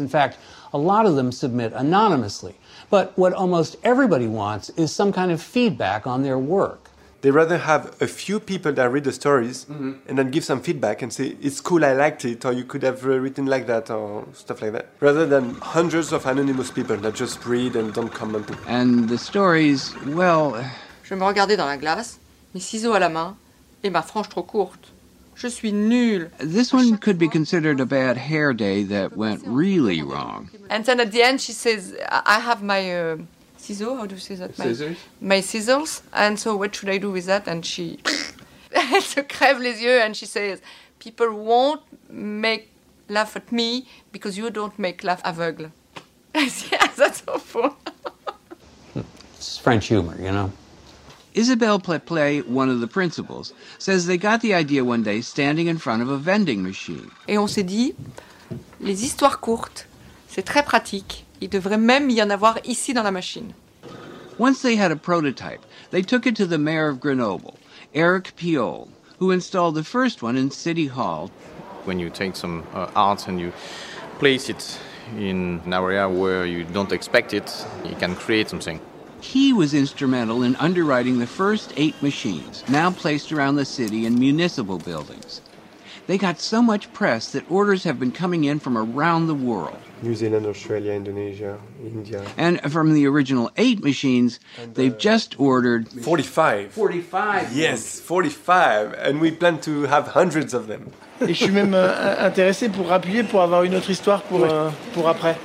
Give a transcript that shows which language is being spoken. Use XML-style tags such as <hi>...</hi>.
<en>In fact, a lot of them submit anonymously. But what almost everybody wants is some kind of feedback on their work. They rather have a few people that read the stories mm-hmm. and then give some feedback and say, it's cool, I liked it, or you could have written like that, or stuff like that. Rather than hundreds of anonymous people that just read and don't comment. And the stories, well...</en> <fr>Je me regardais dans la glace, mes ciseaux à la main, et ma frange trop courte. Je suis nul.</fr> <en>This one could be considered a bad hair day that went really wrong. And then at the end she says, I have my... Scissors, how do you say that? Scissors. My scissors. And so what should I do with that? And she</en> <fr>se crève les yeux</fr> <en>and she says, people won't make laugh at me because you don't make laugh aveugle. Yeah, that's awful. It's French humor, you know. Isabelle Pleplay, one of the principals, says they got the idea one day standing in front of a vending machine.</en> <fr>Et on s'est dit, les histoires courtes, c'est très pratique. Il devrait même y en avoir ici dans la machine.</fr> <en>Once they had a prototype, they took it to the mayor of Grenoble, Eric Piolle, who installed the first one in City Hall. When you take some art and you place it in an area where you don't expect it, you can create something. He was instrumental in underwriting the first 8 machines, now placed around the city in municipal buildings. They got so much press that orders have been coming in from around the world. New Zealand, Australia, Indonesia, India. And from the original 8 machines, and they've just ordered... 45. 45. Yes, 45. And we plan to have hundreds of them.</en> <fr>Et je suis même intéressé pour appuyer pour avoir une autre histoire pour après.</fr>